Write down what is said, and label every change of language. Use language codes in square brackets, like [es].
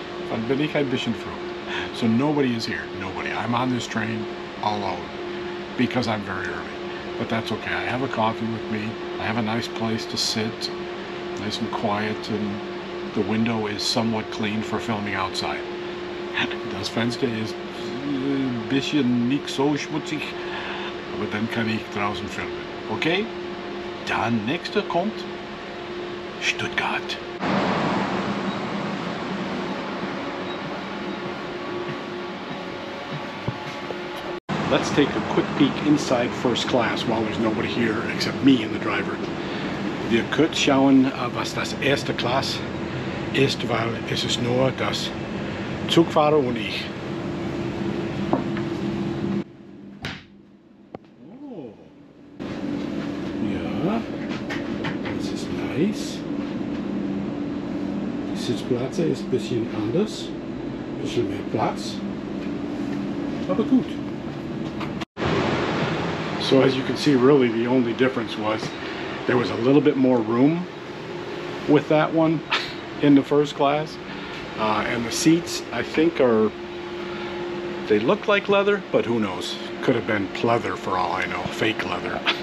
[de] Dann bin ich ein bisschen früh. [en] So nobody is here. Nobody. I'm on this train alone because I'm very early. But that's okay. I have a coffee with me. I have a nice place to sit. Nice and quiet. And the window is somewhat clean for filming outside. [de] Das Fenster ist ein bisschen nicht so schmutzig. Aber dann kann ich draußen filmen. Okay? Dann nächste kommt Stuttgart. [en] Let's take a quick peek inside first class while there's nobody here except me and the driver. [de] Wir können schauen, was das erste Klass ist, weil es ist nur das Zugfahrer und ich. Oh. Ja, das ist nice. Die Sitzplätze ist ein bisschen anders, ein bisschen mehr Platz, aber gut. [en] So as you can see, really the only difference was there was a little bit more room with that one in the first class. And the seats, I think, are, they look like leather, but who knows? Could have been pleather for all I know, fake leather.